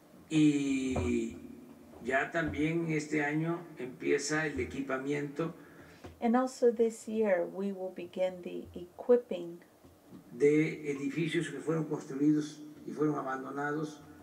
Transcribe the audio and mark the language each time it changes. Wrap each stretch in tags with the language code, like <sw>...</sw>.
<es>Y ya también este año empieza el equipamiento.</es> <en>And also this year we will begin the equipping</en> <es>de edificios que fueron construidos y fueron abandonados.</es>